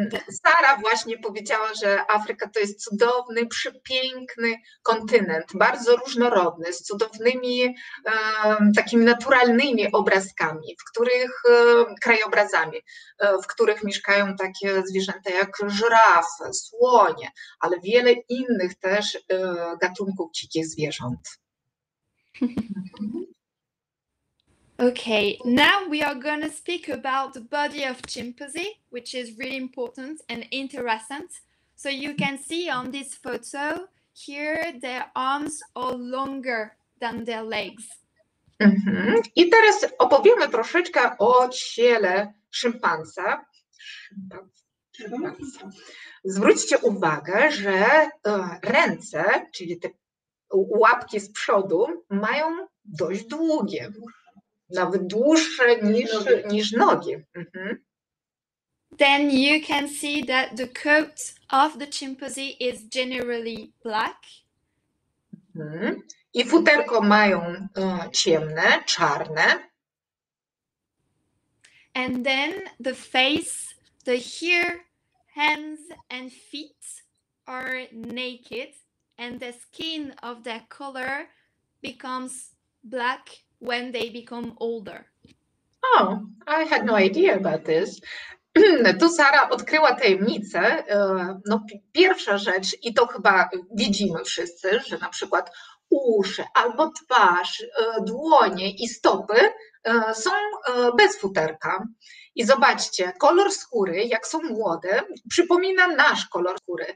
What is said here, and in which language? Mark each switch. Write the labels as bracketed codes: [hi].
[pl] Sara właśnie powiedziała, że Afryka to jest cudowny, przepiękny kontynent, bardzo różnorodny, z cudownymi, takimi naturalnymi obrazkami, krajobrazami, w których mieszkają takie zwierzęta jak żyrafy, słonie, ale wiele innych też gatunków dzikich zwierząt. [en] Okay, now we are going to speak about the body of chimpanzee, which is really important and interesting. So you can see on this photo here, their arms are longer than their legs. [pl] I teraz opowiemy troszeczkę o ciele szympansa. Zwróćcie uwagę, że ręce, czyli te łapki z przodu, mają dość długie, nawet dłuższe niż nogi. [en] Then you can see that the coat of the chimpanzee is generally black. [pl] I futerko mają ciemne, czarne. [en] And then the face, the hair, hands and feet are naked, and the skin of their color becomes black when they become older. Oh, I had no idea about this. [pl] Tu Sara odkryła tajemnicę. No, pierwsza rzecz, i to chyba widzimy wszyscy, że na przykład uszy albo twarz, dłonie i stopy są bez futerka. I zobaczcie, kolor skóry, jak są młode, przypomina nasz kolor skóry.